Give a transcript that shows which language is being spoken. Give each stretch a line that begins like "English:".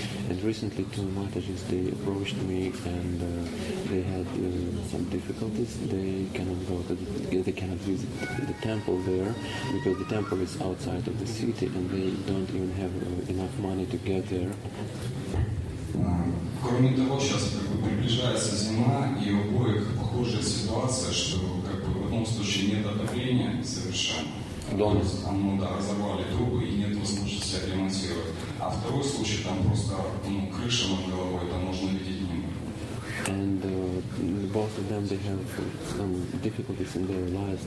English: And recently two Matajis, they approached me and they had some difficulties. They cannot go to they cannot visit the temple there because the temple is outside of the city and they don't even have enough money to get there.
Russian: Кроме того, сейчас как бы приближается зима, и у обоих похожая ситуация, что как бы в одном случае нет отопления совершенно. Да. Там, ну да, разорвали трубы и нет возможности отремонтировать. А второй случай там просто ну, крыша над головой, там можно видеть небо.
English: And both of them, they have some difficulties in their lives.